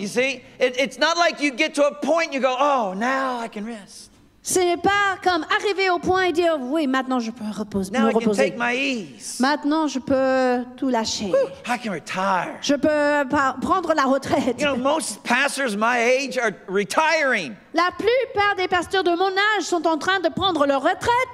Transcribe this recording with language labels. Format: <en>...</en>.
<en>You see, it's not like you get to a point, you go, oh, now I can rest.</en> <fr>Ce n'est pas comme arriver au point et dire « Oui, maintenant je peux me reposer. Maintenant je peux tout lâcher.</fr> <en>I can retire.</en> <fr>Je peux prendre la retraite.</fr> <en>You know, most pastors my age are retiring.</en> <fr>La plupart des pasteurs de mon âge sont en train de prendre leur retraite.</fr>